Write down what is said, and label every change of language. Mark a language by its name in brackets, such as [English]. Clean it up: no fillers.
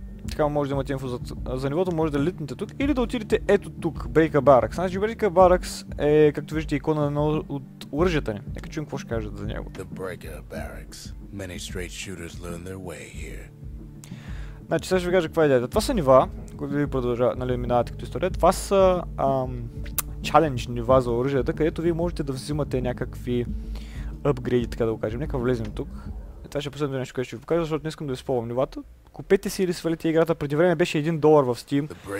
[Bulgarian] Така може да имате инфо за нивото, може да литнете тук или да отидете ето тук, Breaker Barracks. Значи Breaker Barracks е, както виждате, икона на едно от оръжията ни. Нека чуем какво ще кажат за него. [English] The Breaker Barracks. Many straight shooters learn their way here. [Bulgarian] Значи сега ще ви кажа каква е идеята. Това са нива, които ви продължават, нали, минавате като история. Това са чалендж нива за оръжията, където вие можете да взимате някакви апгрейди, така да го кажем. Нека влезем тук. Това ще е последното нещо, което ще ви покажа, защото не искам да ви спомням нивата. Купете си или свалите играта, преди време беше $1 в Steam.